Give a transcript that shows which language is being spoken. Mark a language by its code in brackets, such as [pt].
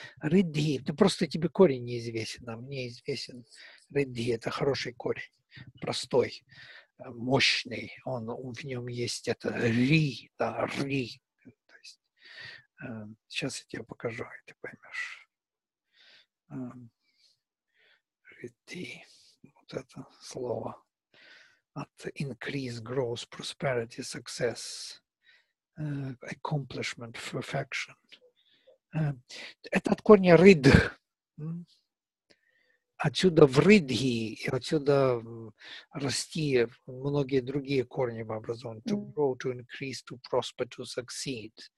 [ru] Риддхи, ты просто тебе корень неизвестен, а мне известен риддхи, это хороший корень, простой, мощный. Он в нем есть это ри, да, ри. То есть, сейчас я тебе покажу, и ты поймешь. Ритти, вот это слово, от [en] increase, growth, prosperity, success, accomplishment, perfection. [ru] Это от корня ридх. Отсюда в ридхи, и отсюда расти многие другие корни в образовании. [en] To grow, to increase, to prosper, to succeed.